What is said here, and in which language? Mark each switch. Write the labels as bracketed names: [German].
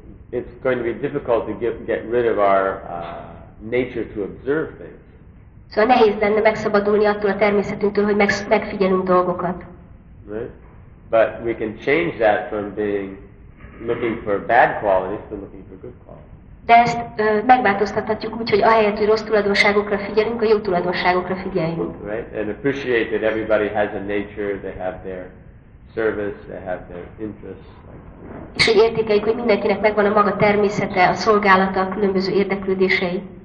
[English] It's going to be difficult to get rid of our nature to observe things. [Hungarian] Szóval nehéz lenne megszabadulni attól a természetünktől, hogy megfigyelünk dolgokat. [English] Right? But we can change that from being looking for bad qualities to looking for good qualities. [Hungarian] De ezt megváltoztathatjuk úgy, hogy ahelyett, hogy rossz tulajdonságokra figyelünk, a jó tulajdonságokra figyeljünk. [English] Right? And appreciate that everybody has a nature, they have their service, they have their interests. [Hungarian] És hogy értékeljük, hogy mindenkinek megvan a maga természete, a szolgálata, a különböző érdeklődései.